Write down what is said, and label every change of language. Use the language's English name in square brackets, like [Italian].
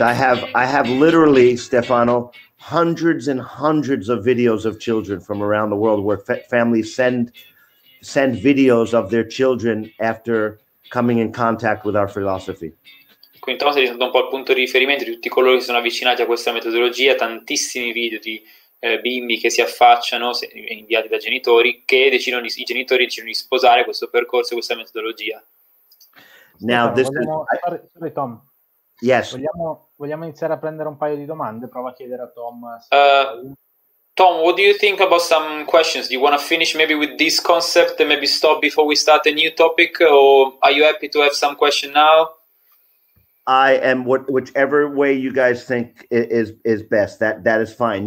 [English] I have literally, Stefano, hundreds and hundreds of videos of children from around the world where families send videos of their children after coming in contact with our philosophy. [Italian] Quindi Thomas è diventato un po' il punto di riferimento di tutti coloro che sono avvicinati a questa metodologia, tantissimi video di bimbi che si affacciano, inviati da genitori, che i genitori decidono di sposare questo percorso, questa metodologia. [English] Now, sorry, Tom. Yes. [Italian] Vogliamo iniziare a prendere un paio di domande? Prova a chiedere a Tom. [English] Tom, what do you think about some questions? Do you want to finish maybe with this concept and maybe stop before we start a new topic? Or are you happy to have some question now? I am, whichever way you guys think is best, that is fine.